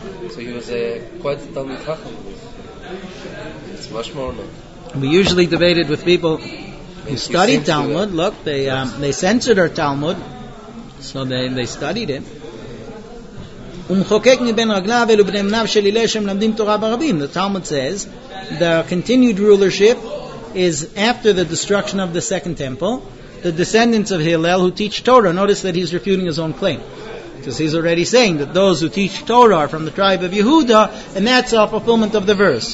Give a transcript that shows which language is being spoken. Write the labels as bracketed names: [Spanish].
[English] So he was quite a Talmud Chacham. It's much more known. We usually debated with people who studied Talmud. Look, they censored our Talmud. So they studied it. [Hebrew] ומחוקק מבין רגליו אלו בני מניו של הלל שמלמדים תורה ברבים. [English] The Talmud says, the continued rulership is after the destruction of the second temple. the descendants of Hillel who teach Torah. Notice that he's refuting his own claim, because he's already saying that those who teach Torah are from the tribe of Yehuda, and that's a fulfillment of the verse.